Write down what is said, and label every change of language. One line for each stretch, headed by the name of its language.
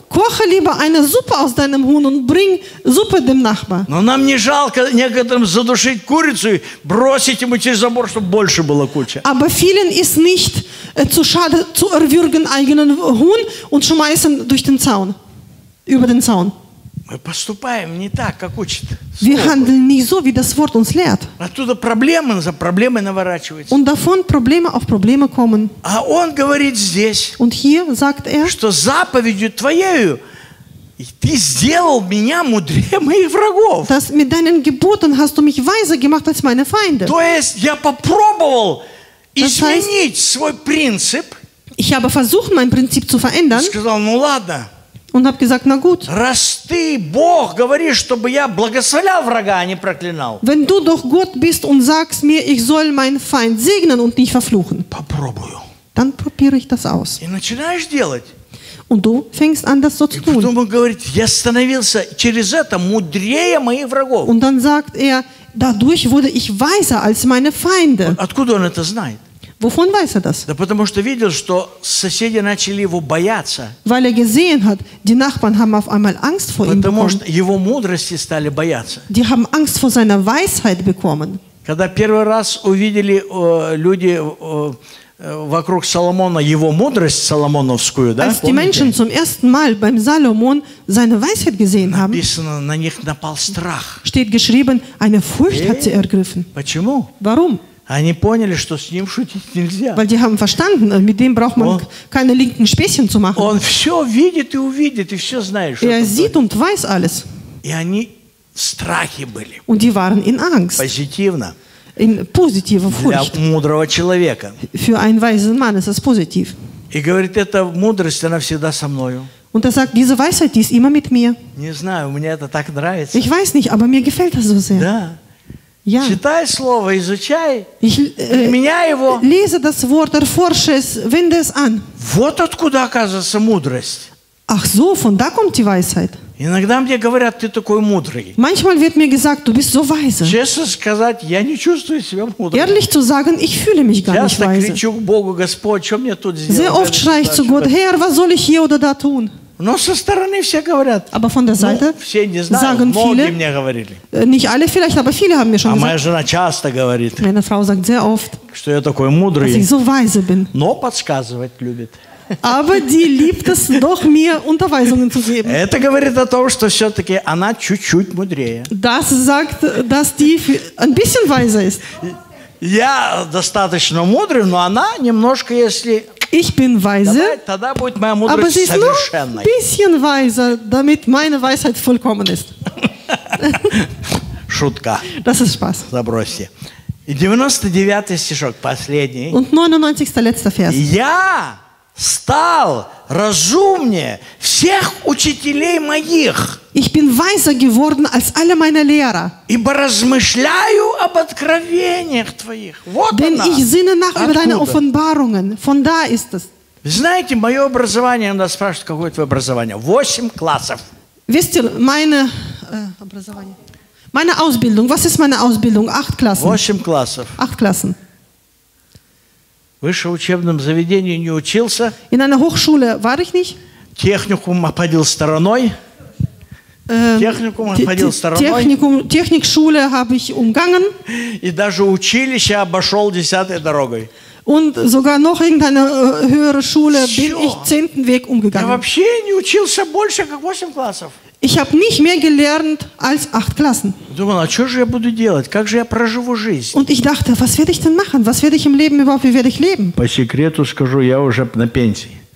German: Koche lieber eine Suppe aus deinem Huhn und bring Suppe dem Nachbar.
Russian: Но нам не жалко некоторым задушить курицу и бросить ему через забор, чтобы больше было куча.
German: Aber vielen ist nicht zu schade zu erwürgen eigenen Huhn und schmeißen durch den Zaun. Über den Zaun.
Russian: Мы поступаем не так, как учит.
German: Wir handeln nicht so, wie das Wort uns lehrt.
Russian: Оттуда проблемы за проблемой наворачиваются.
German: Und davon Probleme auf Probleme kommen.
Russian: А он говорит здесь.
German: Und hier sagt er,
Russian: что заповедью твоею ты сделал меня мудрее моих врагов.
German: Dass mit deinen Geboten hast du mich weiser gemacht als meine Feinde.
Russian: То есть я попробовал изменить свой принцип.
German: Ich habe versucht, mein Prinzip zu verändern.
Russian: Сказал, ну ладно.
German: Und hab gesagt, na gut.
Russian: Раз ты Бог говоришь, чтобы я благословлял врага, а не проклинал.
German: Wenn du doch Gott bist und sagst mir, ich soll meinen Feind segnen und nicht verfluchen.
Russian: Попробую.
German: Dann probiere ich das aus.
Russian: И начинаешь делать.
German: Und du fängst an, das so zu tun.
Russian: И потом он говорит, я становился через это мудрее моих врагов.
German: Und dann sagt er, dadurch wurde ich weiser als meine Feinde.
Russian: Откуда он это знает?
German: Wovon weiß er das?
Russian: Да потому что видел, что соседи начали его бояться.
German: Weil er gesehen hat, die Nachbarn haben auf einmal Angst vor ihm bekommen.
Russian: Потому что его мудрости стали бояться.
German: Die haben Angst vor seiner Weisheit bekommen.
Russian: Когда первый раз увидели люди вокруг Соломона его мудрость соломоновскую, да?
German: Als die Menschen zum ersten Mal beim Salomon seine Weisheit gesehen haben.
Russian: Написано, на них напал страх.
German: Steht geschrieben, eine Furcht hat sie ergriffen.
Russian: Почему?
German: Warum?
Russian: Они поняли, что с ним шутить нельзя.
German: Weil die haben verstanden, mit dem braucht man keine linken Späßchen zu machen.
Russian: Он все видит и увидит, и все знает, что
German: Er sieht und weiß alles.
Russian: И они в страхе были.
German: Und die waren in Angst.
Russian: Позитивно.
German: In positive Furcht.
Russian: Для мудрого человека.
German: Für einen weisen Mann ist das positiv.
Russian: И говорит, эта мудрость, она всегда со мною.
German: Und er sagt, diese Weisheit, die ist immer mit mir.
Russian: Не знаю, мне это так нравится.
German: Ich weiß nicht, aber mir gefällt das so sehr.
Russian: Да.
German: Ja.
Russian: Читай слово, изучай, меняй его.
German: Lese das Wort, erforsche es, wende es an.
Russian: Вот откуда оказывается мудрость.
German: Ach so, von da kommt die Weisheit.
Russian: Иногда мне говорят, ты такой мудрый.
German: Manchmal wird mir gesagt, du bist so weise.
Russian: Честно сказать, я не чувствую себя мудрым.
German: Ehrlich zu sagen, ich fühle mich gar nicht weise.
Russian: Часто кричу к Богу, Господь, что мне тут сделать?
German: Sehr oft schrei ich zu Gott, Herr, was soll ich hier oder da tun?
Russian: Но со стороны все говорят.
German: Aber von der Seite
Russian: ну, все не знают,
German: sagen viele,
Russian: многие мне говорили.
German: Nicht alle vielleicht, aber viele haben mir schon
Russian: gesagt. А моя жена часто говорит.
German: Meine Frau sagt sehr oft,
Russian: что я такой мудрый.
German: Dass ich so weise bin.
Russian: Но подсказывать любит.
German: aber die liebt es doch, mir Unterweisungen zu geben.
Russian: Это говорит о том, что все-таки она чуть-чуть мудрее.
German: Das sagt, dass die ein bisschen weiser ist.
Russian: Я достаточно мудрый, но она немножко, если...
German: Ich bin weise,
Russian: тогда будет моя мудрость
German: aber sie ist
Russian: совершенной.
German: Nur ein bisschen weiser, damit meine Weisheit vollkommen ist.
Russian: Шутка.
German: Das ist Spaß.
Russian: Забросьте. И 99-й стишок, последний.
German: Und 99. letzter Vers.
Russian: Я стал разумнее всех учителей моих.
German: Ich bin weiser geworden als alle meine Lehrer.
Russian: Ибо размышляю об откровениях твоих. Вот
German: Denn
Russian: она.
German: Ich sinne nach über deine Offenbarungen. Von da ist es.
Russian: Вы знаете, мое образование, иногда спрашивают, какое твое образование? 8 классов.
German: Wisst ihr, meine образование. Meine Ausbildung. Was ist meine Ausbildung? 8 Klassen.
Russian: 8 классов.
German: 8 Klassen.
Russian: В высшеучебном заведении не учился.
German: In einer Hochschule war ich nicht.
Russian: Техникум обходил стороной.
German: Technikschule habe ich umgangen.
Russian: И даже училище обошел 10-й дорогой.
German: Und sogar noch irgendeine höhere Schule Все. Bin ich 10. Weg umgegangen.
Russian: Я вообще не учился больше, как 8 классов.
German: Ich habe nicht mehr gelernt als 8 Klassen.
Russian: Думал, а что же я буду делать? Как же я проживу жизнь?
German: Und ich dachte, was werde ich denn machen? Was werde ich im Leben überhaupt? Wie werde ich leben?
Russian: По секрету скажу, я уже на пенсии.